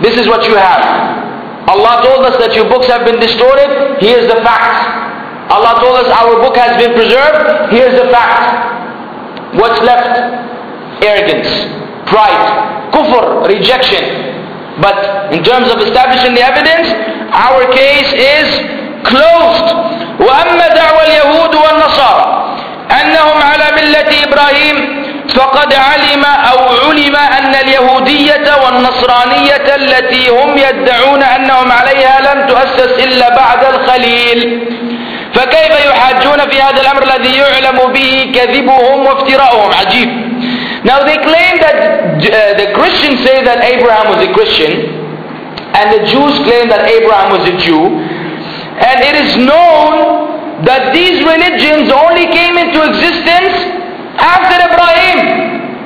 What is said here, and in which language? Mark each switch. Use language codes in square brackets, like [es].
[en] This is what you have. Allah told us that your books have been distorted. Here's the fact. Allah told us our book has been preserved. Here's the fact. What's left? Arrogance, pride, kufr, rejection. But in terms of establishing the evidence, our case is closed. [ar] وَأَمَّا دَعْوَ الْيَهُودُ وَالنَّصَارَ أَنَّهُمْ عَلَى مِلَّةِ إِبْرَاهِيمِ فقد علم أو علم أن اليهودية والنصرانية التي هم يدعون أنهم عليها لم تؤسس إلا بعد الخليل، فكيف يحاجون في هذا الأمر الذي يعلم به كذبهم وافتراؤهم؟ عجيب. [en] Now they claim that the Christians say that Abraham was a Christian, and the Jews claim that Abraham was a Jew, and it is known that these religions only came into existence after Ibrahim.